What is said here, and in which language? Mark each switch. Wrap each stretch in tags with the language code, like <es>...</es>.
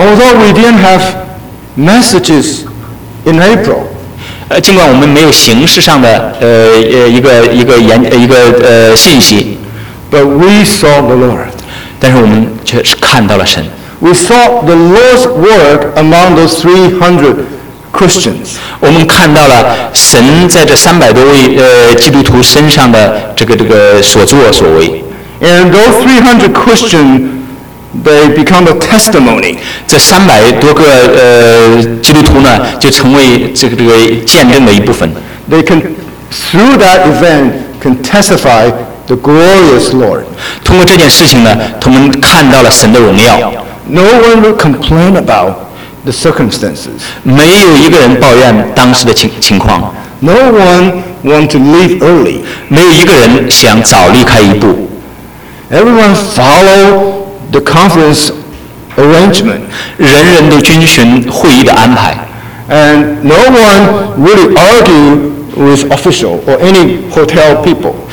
<en>Although we didn't have messages in April.</en> <zh>尽管我们没有形式上的一个信息。</zh> <en>But we saw the Lord.</en> <zh>但是我们却是看到了神。</zh> <en>We saw the Lord's work among those 300 Christians.</en> <zh>我们看到了神在这三百多位基督徒身上的这个所作所为。</zh> <en>And those 300 Christians, they become a testimony.</en> <zh>这三百多个基督徒呢，就成为这个见证的一部分。</zh> <en>They can through that event can testify the glorious Lord.</en> <zh>通过这件事情呢，他们看到了神的荣耀。</zh> <en>No one will complain about the circumstances.</en> <zh>没有一个人抱怨当时的情况。</zh> <en>No one wants to leave early.</en> <zh>没有一个人想早离开一步。</zh> <en>Everyone follow the conference arrangement.</en> <zh>人人都遵循会议的安排。</zh> <en>And no one really argue with official or any hotel people.</en>